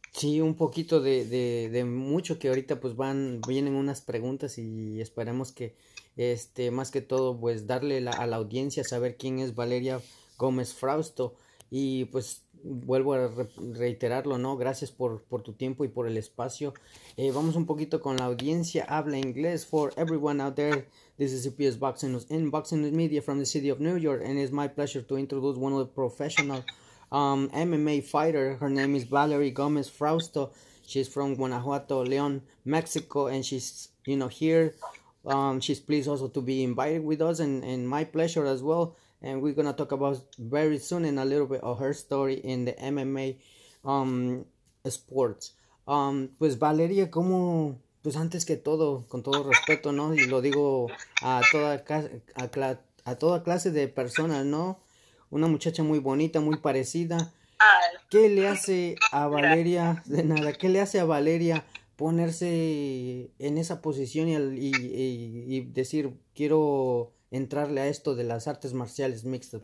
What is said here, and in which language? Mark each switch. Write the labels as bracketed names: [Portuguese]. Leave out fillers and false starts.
[Spanish] Sí, un poquito de mucho que ahorita pues vienen unas preguntas y esperemos que más que todo pues darle a la audiencia saber quién es Valeria Gómez Frausto. Y pues vuelvo a reiterarlo, ¿no? Gracias por tu tiempo y por el espacio. Vamos un poquito con la audiencia. Habla inglés [English] for everyone out there. This is CPS Boxing News and Boxing News Media from the city of New York, and it's my pleasure to introduce one of the professional MMA fighter. Her name is Valerie Gómez Frausto. She's from Guanajuato, León, Mexico, and she's, here. She's pleased also to be invited with us, and my pleasure as well. And we're gonna talk about very soon in a little bit of her story in the MMA sports. [Spanish] Pues Valeria, como, pues antes que todo, con todo respeto, ¿no? Y lo digo a toda clase de personas, ¿no? Una muchacha muy bonita, muy parecida. ¿Qué le hace a Valeria, de nada, qué le hace a Valeria ponerse en esa posición y decir, quiero entrarle a esto de las artes marciales mixtas?